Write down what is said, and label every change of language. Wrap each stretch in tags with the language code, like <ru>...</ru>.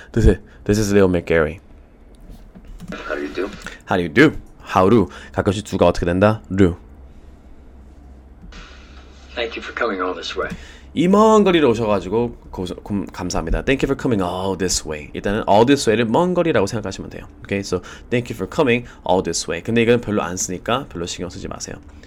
<en>This is Leo McGarry. How do you do? How do you do? How do?</en> <ko>가끔씩 두가 어떻게 된다?</ko> <en>Do. Thank you for coming all this way.</en> <ko>이먼 거리로 오셔가지고 감사합니다.</ko> <en>Thank you for coming all this way.</en> <ko>일단은</ko> <en>all this way를</en> <ko>먼 거리라고 생각하시면 돼요.</ko> <en>Okay, so thank you for coming all this way.</en> <ko>근데 이건 별로 안 쓰니까 별로 신경 쓰지 마세요.</ko>